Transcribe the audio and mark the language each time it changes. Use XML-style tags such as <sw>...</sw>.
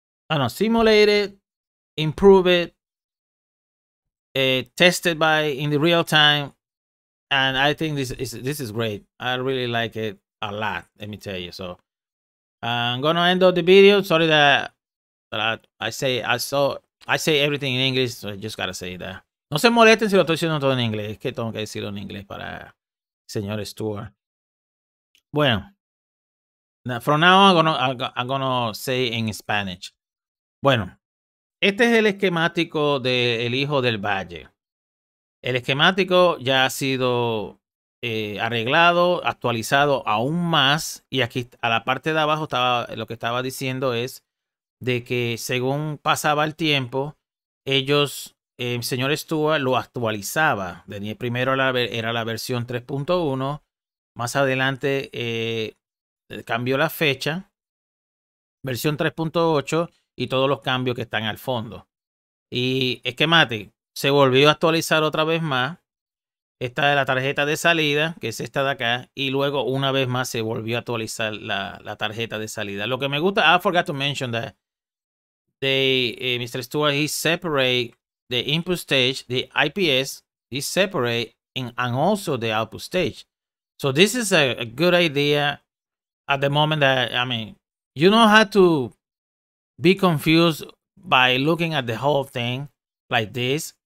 <en>I don't know, simulated, improved, tested by in the real time. And I think this is great. I really like it a lot, let me tell you. So I'm gonna end up the video. Sorry that I say everything in English, so I just gotta say that.</en> <es>No se molesten si lo estoy diciendo todo en inglés. Es que tengo que decirlo en inglés para señor Stewart.</es> <en>Bueno, now, from now on I'm gonna say in Spanish.</en> <es>Bueno, este es el esquemático del hijo del Valle. El esquemático ya ha sido arreglado, actualizado aún más. Y aquí a la parte de abajo estaba lo que estaba diciendo es de que según pasaba el tiempo, ellos, el señor Stewart lo actualizaba. Primero era la versión 3.1. Más adelante cambió la fecha. versión 3.8 y todos los cambios que están al fondo. Y es que Mati se volvió a actualizar otra vez más. Esta es la tarjeta de salida, que es esta de acá. Y luego una vez más se volvió a actualizar la tarjeta de salida. Lo que me gusta,</es> <en>I forgot to mention that. Mr. Stewart, he separate the input stage, the IPS, he separate and also the output stage. So this is a good idea at the moment that, I mean, you don't have to be confused by looking at the whole thing like this.</en>